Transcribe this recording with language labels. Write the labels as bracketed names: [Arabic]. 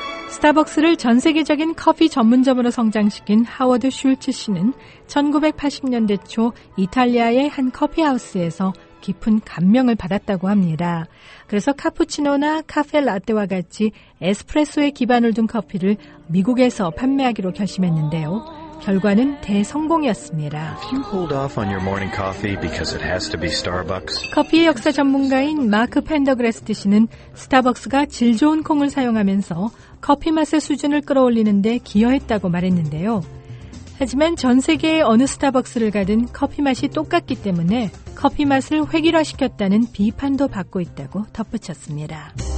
[Korean] 스타벅스를 전 세계적인 커피 전문점으로 성장시킨 하워드 슐츠 씨는 1980년대 초 이탈리아의 한 커피하우스에서 깊은 감명을 받았다고 합니다. 그래서 카푸치노나 카페 라떼와 같이 에스프레소에 기반을 둔 커피를 미국에서 판매하기로 결심했는데요. 결과는 대성공이었습니다. [English] If you hold off on your morning coffee because it has to be Starbucks. [Korean] 커피의 역사 전문가인 마크 펜더그레스트 씨는 스타벅스가 질 좋은 콩을 사용하면서 커피 맛의 수준을 끌어올리는 데 기여했다고 말했는데요. 하지만 전 세계의 어느 스타벅스를 가든 커피 맛이 똑같기 때문에 커피 맛을 획일화시켰다는 비판도 받고 있다고 덧붙였습니다.